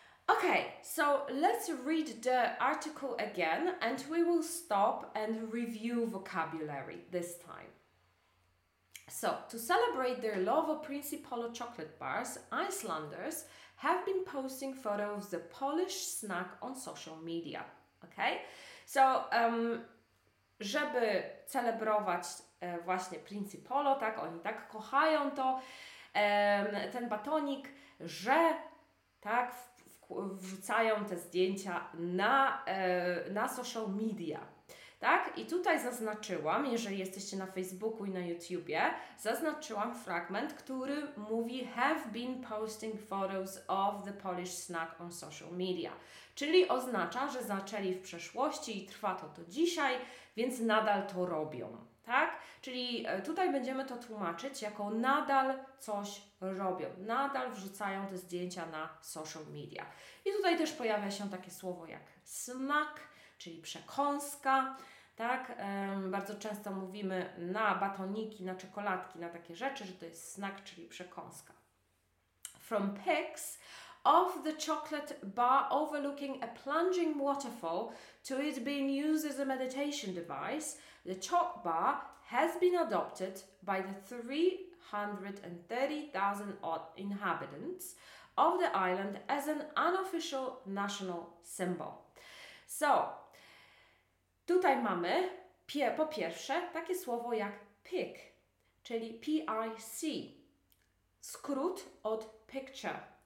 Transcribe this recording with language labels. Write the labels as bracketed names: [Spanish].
[English] Okay, so let's read the article again, and we will stop and review vocabulary this time. So, to celebrate their love of Princi Polo chocolate bars, Icelanders have been posting photos of the Polish snack on social media. Okay, so [Polish] żeby celebrować właśnie Princi Polo, tak, oni tak kochają to, ten batonik, że tak wrzucają te zdjęcia na social media, tak? I tutaj zaznaczyłam, jeżeli jesteście na Facebooku i na YouTubie, zaznaczyłam fragment, który mówi [English] have been posting photos of the Polish snack on social media. [Polish] Czyli oznacza, że zaczęli w przeszłości i trwa to do dzisiaj, więc nadal to robią, tak? Czyli tutaj będziemy to tłumaczyć jako nadal coś robią, nadal wrzucają te zdjęcia na social media. I tutaj też pojawia się takie słowo jak snack, czyli przekąska, tak? Bardzo często mówimy na batoniki, na czekoladki, na takie rzeczy, że to jest snack, czyli przekąska. [English] From pics of the chocolate bar overlooking a plunging waterfall to it being used as a meditation device, the choc bar has been adopted by the 330,000 odd inhabitants of the island as an unofficial national symbol. [Polish] So, tutaj mamy po pierwsze takie słowo jak pic, czyli PIC, skrót od picture.